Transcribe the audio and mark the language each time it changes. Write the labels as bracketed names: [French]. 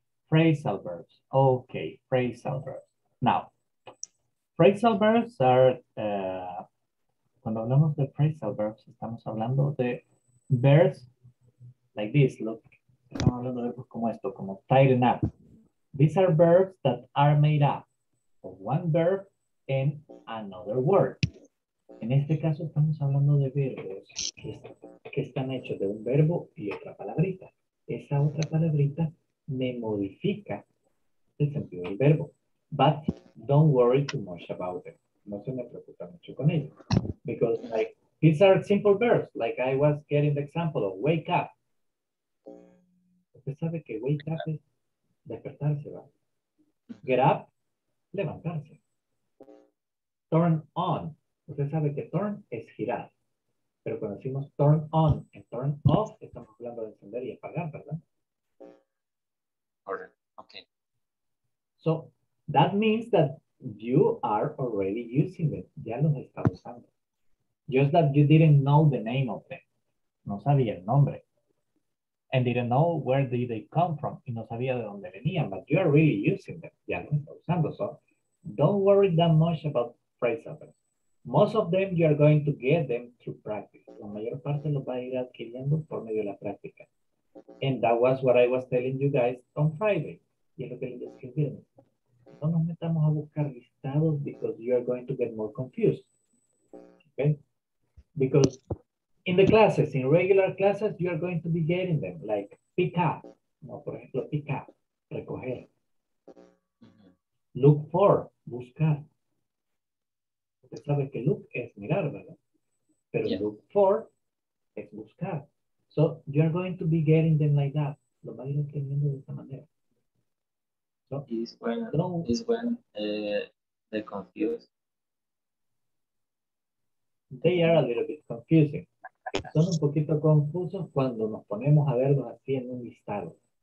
[English] Phrasal verbs. Okay, phrasal verbs. Now, phrasal verbs are, [Spanish] cuando hablamos de phrasal verbs, estamos hablando de [English] verbs like this. [Spanish] Look, estamos hablando de verbos como esto, como tighten up. [English] These are verbs that are made up of one verb and another word. [Spanish] En este caso, estamos hablando de verbos que están hechos de un verbo y otra palabrita. Esa otra palabrita me modifica el sentido del verbo. [English] But don't worry too much about it. [Spanish] No se me preocupa mucho con ello. [English] Because like, these are simple verbs. Like I was getting the example of wake up. [Spanish] Usted sabe que wake up es despertarse, ¿va? [English] Get up, levantarse. Turn on. [Spanish] Usted sabe que turn es girar. Pero cuando decimos turn on and turn off, estamos hablando de encender y apagar, ¿verdad? [English] Okay. So, that means that you are already using them. [Spanish] Ya los está usando. [English] Just that you didn't know the name of them. [Spanish] No sabía el nombre. [English] And didn't know where did they come from. [Spanish] Y no sabía de dónde venían. [English] But you are really using them. [Spanish] Ya los está usando. [English] So, don't worry that much about phrasal verbs. Most of them you are going to get them through practice. [Spanish] La mayor parte los va a ir adquiriendo por medio de la práctica. [English] And that was what I was telling you guys on Friday. [Spanish] Y es lo que les describí. No nos metamos a buscar listados [English] because you are going to get more confused. Okay? Because in the classes, in regular classes, you are going to be getting them. Like pick up. [Spanish] No, por ejemplo, [English] pick up. Recoger. Look for. Buscar. [Spanish] Usted sabe que look es mirar, ¿verdad? Pero yeah. Look for es buscar. [English] So, you are going to be getting them like that. [Spanish] Lo va a ir entendiendo de esta manera. [English] So, is when, is when they're confused. They are a little bit confusing. [Spanish] Son un poquito confusos cuando nos ponemos a verlos así en un listado.